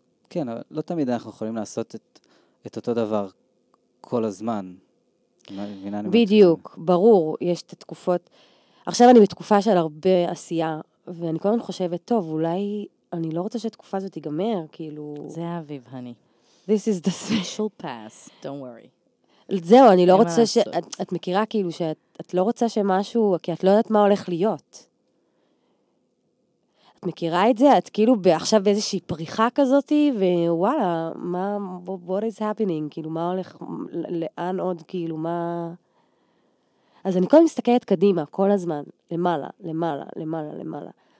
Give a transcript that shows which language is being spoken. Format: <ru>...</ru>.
<he>כן, אבל לא תמיד אנחנו יכולים לעשות את אותו דבר כל הזמן. בדיוק, ברור, יש את התקופות. עכשיו אני בתקופה של הרבה עשייה, ואני כל הזמן חושבת, טוב, אולי אני לא רוצה שהתקופה הזאת תיגמר, כאילו... זה האביב, הני.</he> <en>This is the special pass, don't worry.</en> <he>זהו, אני לא רוצה ש... את מכירה כאילו שאת לא רוצה שמשהו, כי את לא יודעת מה הולך להיות. את מכירה את זה? את כאילו עכשיו באיזושהי פריחה כזאת, ווואלה, מה,</he> <en>what is happening?</en> <he>כאילו, מה הולך, לאן עוד, כאילו, מה... אז אני כל מסתכלת קדימה, כל הזמן, למעלה, למעלה, למעלה, למעלה.</he>